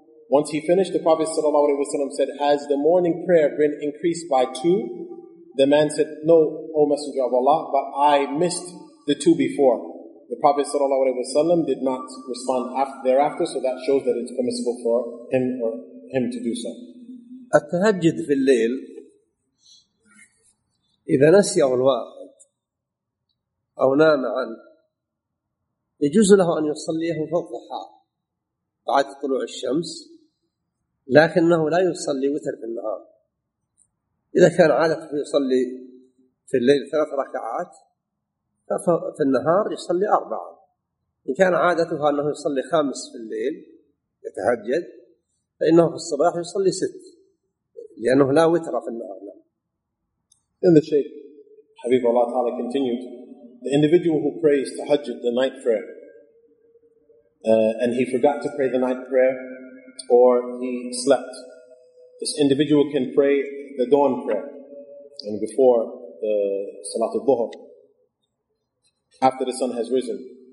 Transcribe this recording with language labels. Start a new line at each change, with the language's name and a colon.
English: Once he finished, the Prophet ﷺ said, has the morning prayer been increased by two? The man said, no, O Messenger of Allah, but I missed the two before. The Prophet ﷺ did not respond thereafter, so that shows that it's permissible for him or him to do so.
Arabic: التهجد في الليل إذا نسيه الواحد أو نام عنه يجوز له أن يصليه في الضحى بعد طلوع الشمس، لكنه لا يصلي وتر في النهار. إذا كان عادته يصلي في الليل ثلاث ركعات ففي النهار يصلي أربعة. إن كان عادته أنه يصلي خامس في الليل يتهجد، فإنه في الصباح يصلي ست، لأنه لا وتر في النهار.
English: Then the Shaykh, Habib Allah Ta'ala, continued, the individual who prays tahajjud, the night prayer, and he forgot to pray the night prayer, or he slept, this individual can pray the dawn prayer, and before the Salatul Dhuhr, after the sun has risen.